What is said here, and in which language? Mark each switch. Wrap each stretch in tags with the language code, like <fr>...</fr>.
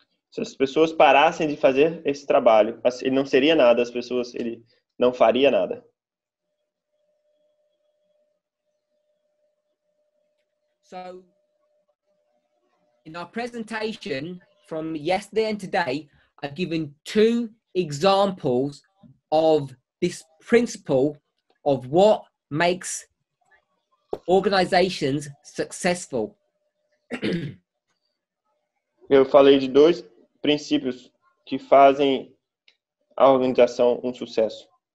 <pt>Se as pessoas parassem de fazer esse trabalho, ele não seria nada, as pessoas, ele não faria nada.</pt> <en>So, in our presentation from yesterday and today, I've given two examples of this principle of what makes organizations successful.</en> <pt>Eu falei de dois princípios que fazem a organização um sucesso.</pt>